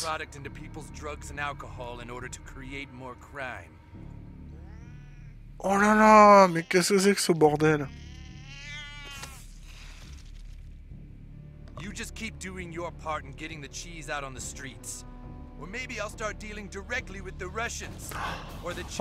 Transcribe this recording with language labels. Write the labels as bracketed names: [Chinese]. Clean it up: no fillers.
[English] Put the product into people's drugs and alcohol in order to create more crime. [French] Oh là là, mais qu'est-ce que c'est que ce bordel? [English] You just keep doing your part in getting the cheese out on the streets. Or maybe I'll start dealing directly with the Russians. Or the Chinese.